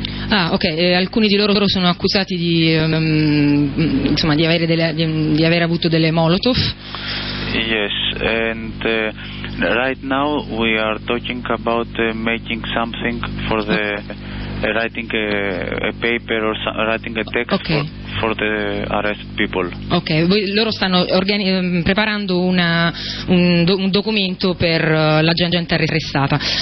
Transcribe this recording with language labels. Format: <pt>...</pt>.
<it>Alcuni di loro sono accusati di aver avuto delle Molotov.</it> <en>Yes, and right now we are talking about making something for the writing a paper or writing a text. Okay. For the arrested people.</en> <it>Okay, loro stanno preparando un documento per la gente arrestata.</it>